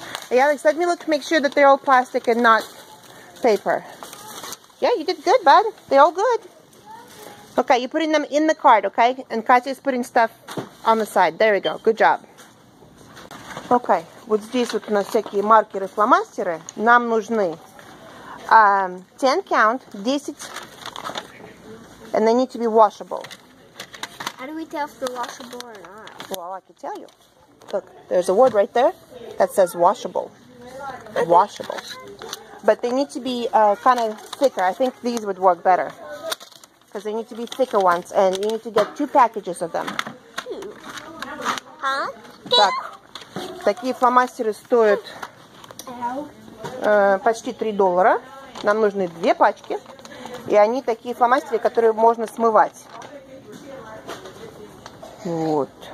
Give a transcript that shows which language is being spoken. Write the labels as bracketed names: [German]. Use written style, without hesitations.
[English] Hey, Alex, let me look to make sure that they're all plastic and not paper. Yeah, you did good, bud. They all good. Okay, you're putting them in the cart, okay? And Katya is putting stuff on the side. There we go. Good job. [Russian] Okay, вот здесь вот у нас всякие маркеры, фломастеры. Нам нужны 10 count, 10. [English] And they need to be washable. How do we tell if they're washable or not? Well, I can tell you. Look, there's a word right there that says washable. Okay. Washable. But they need to be kind of thicker. I think these would work better. Because they need to be thicker ones. And you need to get 2 packages of them. Two? Huh? [Russian] Так. Такие фломастеры стоят почти $3. Нам нужны 2 пачки. И они такие фломастеры, которые можно смывать. Вот.